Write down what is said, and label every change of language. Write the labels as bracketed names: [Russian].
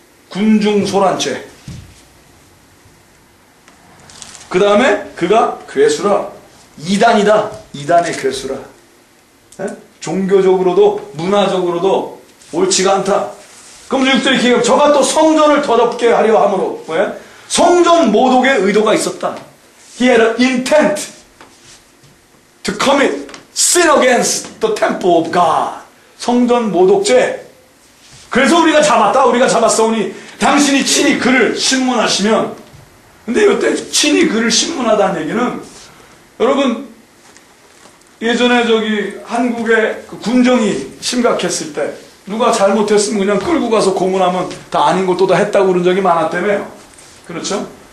[Korean] 군중소란죄 그 다음에 그가 괴수라 이단이다 이단의 괴수라 에? 종교적으로도 문화적으로도 옳지가 않다. 그럼 6절 이렇게 저가 또 성전을 더럽게 하려 함으로 뭐예요? 성전 모독의 의도가 있었다. [English] He had an intent to commit sin against the temple of God. [Korean] 성전 모독죄. 그래서 우리가 잡았다. 우리가 잡았사오니 당신이 친히 그를 신문하시면. 근데 이때 친히 그를 신문하다는 얘기는 여러분 예전에 저기 한국의 그 군정이 심각했을 때 누가 잘못했으면 그냥 끌고 가서 고문하면 다 아닌 것도 다 했다고 그런 적이 많았다며요. 그렇죠?